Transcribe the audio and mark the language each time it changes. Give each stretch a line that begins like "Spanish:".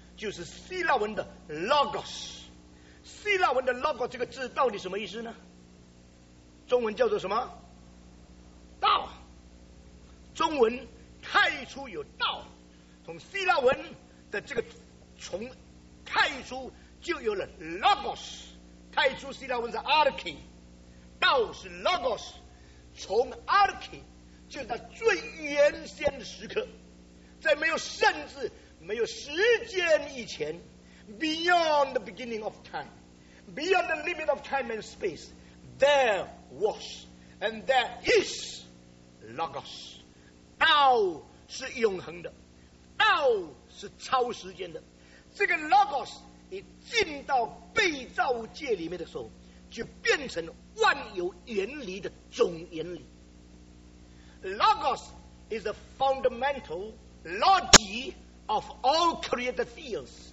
Chinese: 就是希腊文的 logos。希腊文的 logos 这个字到底什么意思呢？中文叫做什么？道。中文太初有道，从希腊文的这个从太初就有了 logos。太初希腊文是 archi， 道是 logos。从 Archi 就在最原先的时刻，在没有甚至没有时间以前，
English: Beyond the beginning of time， Beyond the limit of time and space， There was and there is Logos。
Chinese: 道是永恒的，道是超时间的。这个 Logos 一进到被造界里面的时候，就变成万有原理的总原理。
English: Logos is the fundamental logic of all created things。